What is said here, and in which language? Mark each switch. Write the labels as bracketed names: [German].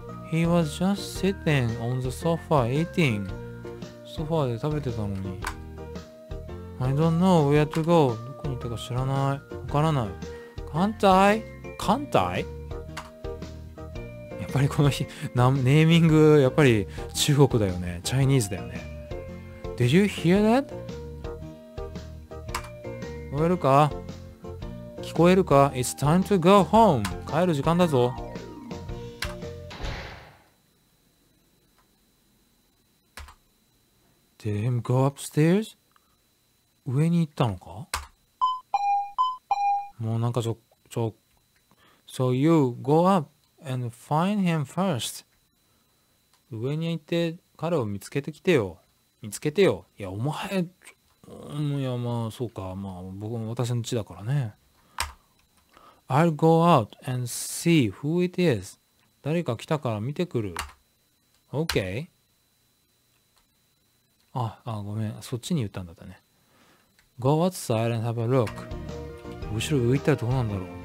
[English] He was just sitting on the sofa eating. [Japanese] ソファーで食べてたのに。 [English] I don't know where to go. [Japanese] どこに行ったか知らない。わからない。艦隊？艦隊？やっぱりこの日、ネーミング、やっぱり中国だよね。チャイニーズだよね。 [English] Did you hear that? [Japanese] 聞こえるか？聞こえるか？ [English] It's time to go home. [Japanese] 帰る時間だぞ。 [English] Did him go upstairs? [Japanese] 上に行ったのか？もうなんか [English] So you go up and find him first. [Japanese] 上に行って彼を見つけてきてよ。見つけてよ。いや、お前、いや、まあ、そうか。まあ、僕も私の家だからね。 [English] I'll go out and see who it is. [Japanese] 誰か来たから見てくる。 [English] OK? [Japanese] あ、ごめん。そっちに言ったんだったね。 [English] Go outside and have a look. [Japanese] 後ろ浮いたらどうなんだろう。